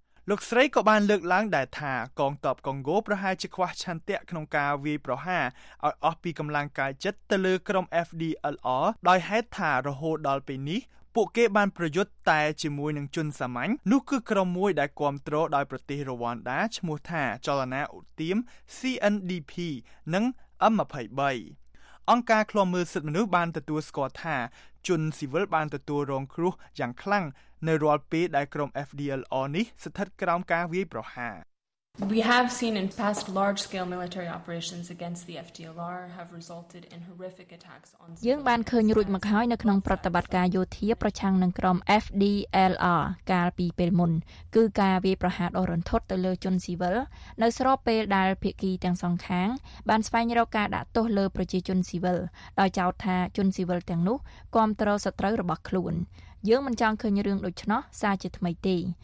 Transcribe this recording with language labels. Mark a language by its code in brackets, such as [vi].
[km] លោកស្រីក៏បានលើកឡើងដែរថាកងទ័ពកុងហ្គោប្រហែលជាខ្វះឆន្ទៈក្នុងការវាយប្រហារឲ្យអស់ពីកម្លាំងកាយចិត្តទៅលើក្រុម FDLR ដោយហេតុថារហូតដល់ពេលនេះពួកគេបានប្រយុទ្ធតែជាមួយនឹងជនសាមញ្ញនោះគឺក្រុមមួយដែលគាំទ្រដោយប្រទេសរ្វ៉ាន់ដាឈ្មោះថាចលនាឧទ្ទាម CNDP និង M23 អង្គការឃ្លាំមើលសិទ្ធិមនុស្សបានទទួលស្គាល់ថាជនស៊ីវិលបានទទួលរងគ្រោះយ៉ាងខ្លាំងនៅរាល់ពេលដែលក្រុម FDLR នេះស្ថិតក្រោមការវាយប្រហារ [en] We have seen in past large-scale military operations against the FDLR have resulted in horrific attacks on [km] យើងបានឃើញរួចមកហើយនៅក្នុងប្រតិបត្តិការយោធាប្រឆាំងនឹងក្រុម FDLR កាលពីពេលមុនគឺការវាយប្រហារដ៏រន្ធត់ទៅលើជនស៊ីវិលនៅស្របពេលដែលភាគីទាំងសងខាងបានស្វែងរកការដាក់ទោសលើប្រជាជនស៊ីវិលដោយចោទថាជនស៊ីវិលទាំងនោះគាំទ្រសត្រូវរបស់ខ្លួនយើងមិនចង់ឃើញរឿងដូច្នោះសារជាថ្មីទេ